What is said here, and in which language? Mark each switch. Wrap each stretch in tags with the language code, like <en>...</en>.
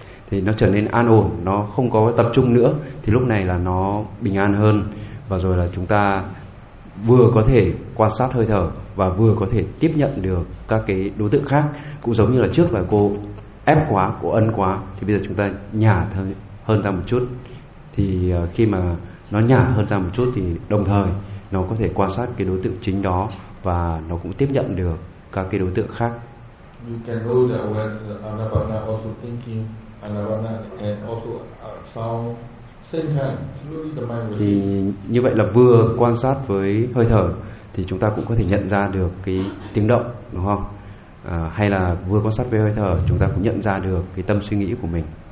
<vi>thì nó trở nên an ổn, nó không có tập trung nữa, thì lúc này là nó bình an hơn, và rồi là chúng ta vừa có thể quan sát hơi thở và vừa có thể tiếp nhận được các cái đối tượng khác, cũng giống như là trước là cô ép quá, cô ân quá, thì bây giờ chúng ta nhả hơn ra một chút, thì khi mà nó nhả hơn ra một chút thì đồng thời nó có thể quan sát cái đối tượng chính đó, và nó cũng tiếp nhận được các cái đối tượng khác.</vi> <en>You can know that when anapana also thinking anapana and also sound same time, slowly the mind will.</en> <vi>Thì như vậy là vừa quan sát với hơi thở thì chúng ta cũng có thể nhận ra được cái tiếng động, đúng không? Hay là vừa quan sát với hơi thở chúng ta cũng nhận ra được cái tâm suy nghĩ của mình.</vi>